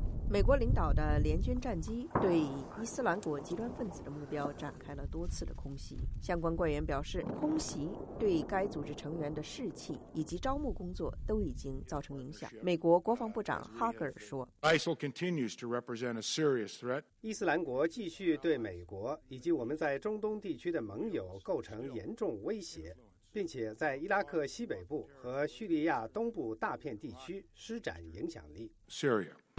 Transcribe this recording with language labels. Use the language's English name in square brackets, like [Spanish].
[Chinese] 美国领导的联军战机对伊斯兰国极端分子的目标展开了多次的空袭。相关官员表示，空袭对该组织成员的士气以及招募工作都已经造成影响。美国国防部长哈格尔说， [English] ISIL continues to represent a serious threat. [Chinese] 伊斯兰国继续对美国以及我们在中东地区的盟友构成严重威胁，并且在伊拉克西北部和叙利亚东部大片地区施展影响力。 [English] Syria.